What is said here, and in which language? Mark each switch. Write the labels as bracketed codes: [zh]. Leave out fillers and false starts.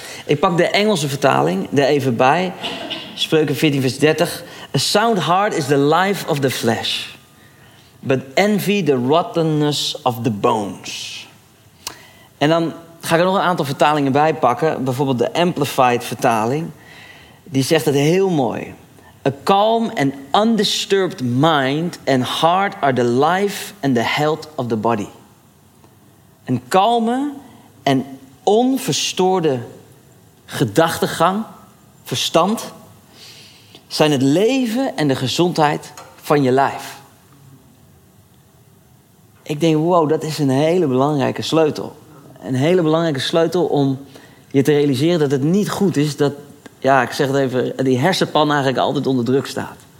[nl] Ik pak de Engelse vertaling er even bij. Spreuken 14 vers 30. [en] A sound heart is the life of the flesh. But envy the rottenness of the bones. [nl] En dan ga ik er nog een aantal vertalingen bij pakken. Bijvoorbeeld de Amplified vertaling. Die zegt het heel mooi. [en] A calm and undisturbed mind and heart are the life and the health of the body. [nl] Een kalme en onverstoorde gedachtegang, verstand, zijn het leven en de gezondheid van je lijf. Ik denk, wow, dat is een hele belangrijke sleutel. Een hele belangrijke sleutel om je te realiseren dat het niet goed is dat, ja, ik zeg het even, die hersenpan eigenlijk altijd onder druk staat.